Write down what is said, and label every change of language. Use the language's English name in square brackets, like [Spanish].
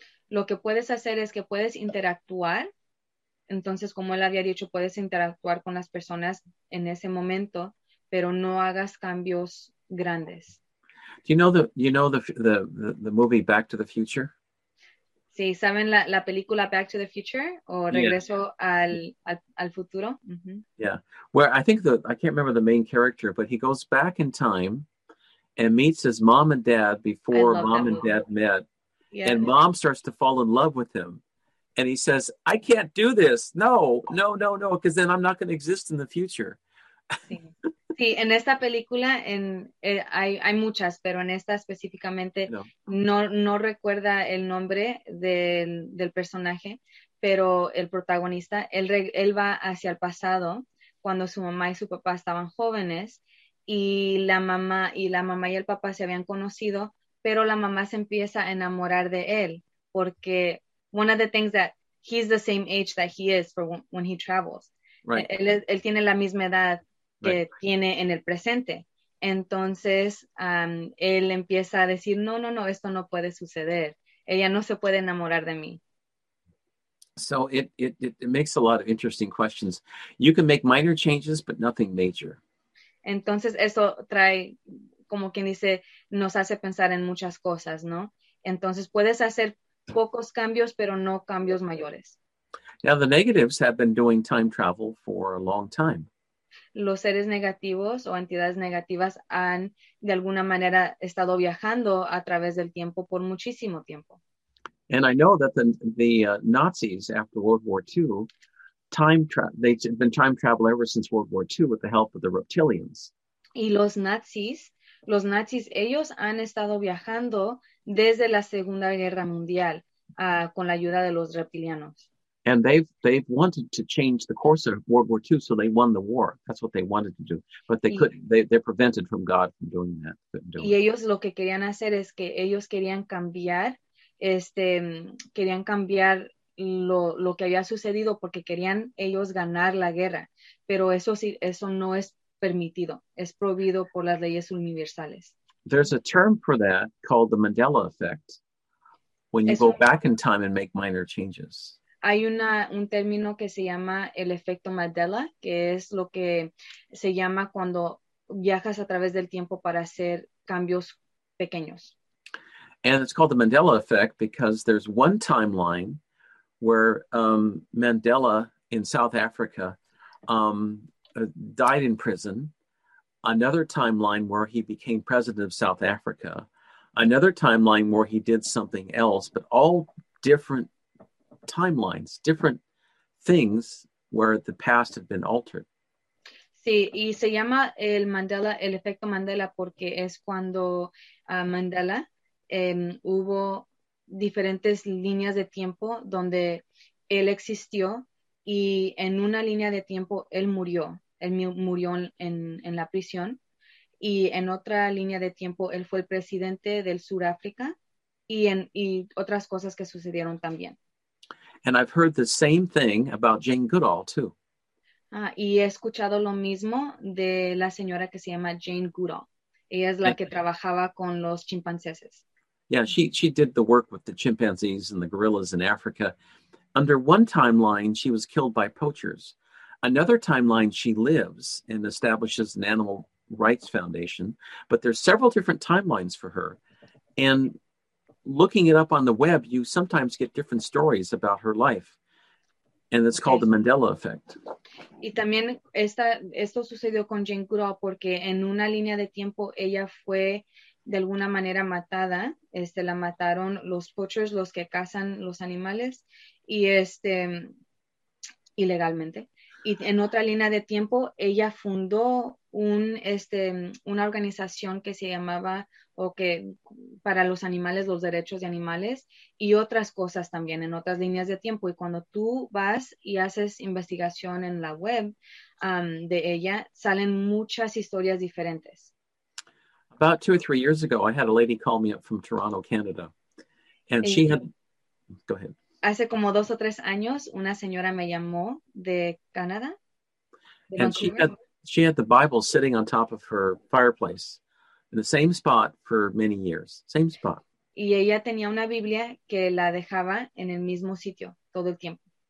[Spanish] Lo que puedes hacer es que puedes interactuar. Entonces, como él había dicho, puedes interactuar con las personas en ese momento, pero no hagas cambios grandes. [English] Do you know the movie Back to the Future? [Spanish] Sí, ¿saben la película Back to the Future o Regreso al Futuro? [English] Mm-hmm. Yeah. Where I can't remember the main character, but he goes back in time and meets his mom and dad before mom and dad met. Yeah. And mom starts to fall in love with him. And he says, I can't do this. No, because then I'm not going to exist in the future. [Spanish] Sí, en esta película, hay muchas, pero en esta específicamente no recuerda el nombre del personaje, pero el protagonista, él va hacia el pasado cuando su mamá y su papá estaban jóvenes y la mamá y el papá se habían conocido. Pero la mamá se empieza a enamorar de él porque [English] one of the things that he's the same age that he is for when he travels. Right. [Spanish] Él tiene la misma edad que tiene en el presente. Entonces, él empieza a decir, no, esto no puede suceder. Ella no se puede enamorar de mí. [English] So it makes a lot of interesting questions. You can make minor changes, but nothing major. [Spanish] Entonces, eso trae... como quien dice, nos hace pensar en muchas cosas, ¿no? Entonces, puedes hacer pocos cambios, pero no cambios mayores. [English] Now, the negatives have been doing time travel for a long time. [Spanish] Los seres negativos o entidades negativas han, de alguna manera, estado viajando a través del tiempo por muchísimo tiempo. [English] And I know that the Nazis, after World War II, they've been time travel ever since World War II with the help of the reptilians. [Spanish] Y los nazis, ellos han estado viajando desde la Segunda Guerra Mundial con la ayuda de los reptilianos. [English] And they've wanted to change the course of World War II, so they won the war. That's what they wanted to do. But they're prevented from God from doing that. [Spanish] Y ellos lo que querían hacer es que ellos querían cambiar, querían cambiar lo que había sucedido porque querían ellos ganar la guerra. Pero eso sí, eso no es permitido, es prohibido por las leyes universales. [English] There's a term for that called the Mandela effect, when you go back in time and make minor changes. [Spanish] Hay un término que se llama el efecto Mandela, que es lo que se llama cuando viajas a través del tiempo para hacer cambios pequeños. [English] And it's called the Mandela effect because there's one timeline where Mandela in South Africa died in prison, another timeline where he became president of South Africa, another timeline where he did something else, but all different timelines, different things where the past had been altered. [Spanish] Sí, y se llama el efecto Mandela porque es cuando Mandela hubo diferentes líneas de tiempo donde él existió y en una línea de tiempo él murió. Él murió en la prisión y en otra línea de tiempo él fue el presidente del Sudáfrica y otras cosas que sucedieron también. [English] And I've heard the same thing about Jane Goodall too. [Spanish] Y he escuchado lo mismo de la señora que se llama Jane Goodall. Ella es la que trabajaba con los chimpancés. [English] Yeah, she did the work with the chimpanzees and the gorillas in Africa. Under one timeline, she was killed by poachers. Another timeline, she lives and establishes an animal rights foundation, but there's several different timelines for her. And looking it up on the web, you sometimes get different stories about her life. And it's called the Mandela effect. [Spanish] Y también esto sucedió con Jane Goodall porque en una línea de tiempo ella fue de alguna manera matada. La mataron los poachers, los que cazan los animales, y ilegalmente. Y en otra línea de tiempo ella fundó una organización que se llamaba para los animales, los derechos de animales y otras cosas también en otras líneas de tiempo. Y cuando tú vas y haces investigación en la web de ella, salen muchas historias diferentes. [English] About 2 or 3 years ago, I had a lady call me up from Toronto, Canada. And she had... Go ahead. [Spanish] Hace como 2 or 3 años, una señora me llamó de Canadá. [English] And she had the Bible sitting on top of her fireplace. In the same spot for many years. Same spot. [Spanish] Y ella tenía una Biblia que la dejaba en el mismo sitio todo el tiempo.